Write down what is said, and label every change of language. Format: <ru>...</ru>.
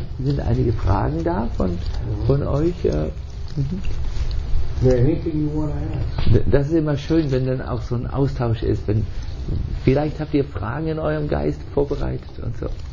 <de>Sind einige Fragen da von euch?</de> <en>Anything you want to ask?</en> <de>Das ist immer schön, wenn dann auch so ein Austausch ist, wenn vielleicht habt ihr Fragen in eurem Geist vorbereitet und so.</de>